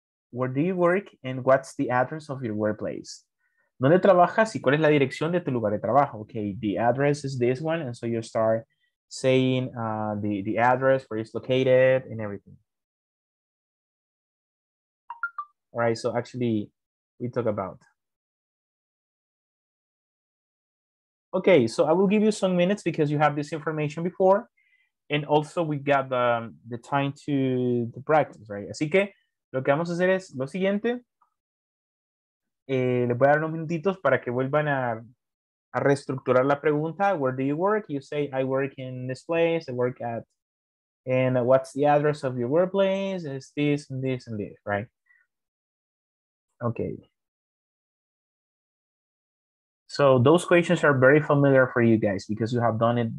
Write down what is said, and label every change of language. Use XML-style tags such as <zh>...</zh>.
<en>Where do you work and what's the address of your workplace?</en> <es>¿Dónde trabajas y cuál es la dirección de tu lugar de trabajo?</es> <en>Okay, the address is this one. And so you start saying the address, where it's located and everything. All right, so actually we talk about. Okay, so I will give you some minutes because you have this information before. And also we got the time to the practice, right?</en> <es>Así que lo que vamos a hacer es lo siguiente. Les voy a dar unos minutitos para que vuelvan a reestructurar la pregunta.</es> <en>Where do you work? You say, I work in this place. I work at, and what's the address of your workplace? It's this and this and this, right? Okay. So those questions are very familiar for you guys because you have done it.</en>